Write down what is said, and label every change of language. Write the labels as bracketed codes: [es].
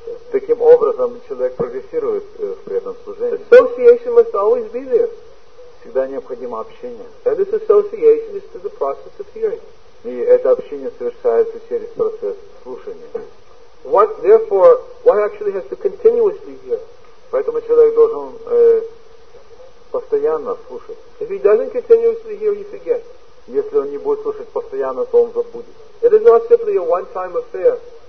[ru] Таким образом человек прогрессирует в преданном служении. [en] Association must always be there. [ru] Всегда необходимо общение. [en] And this association is through the process of hearing. [ru] И это общение совершается через процесс слушания. [en] Therefore, one actually has to continuously hear. [ru] Поэтому человек должен постоянно слушать. [en] If he doesn't continuously hear, he forgets. [ru] Если он не будет слушать постоянно, то он забудет. [en] It is not simply a one-time affair.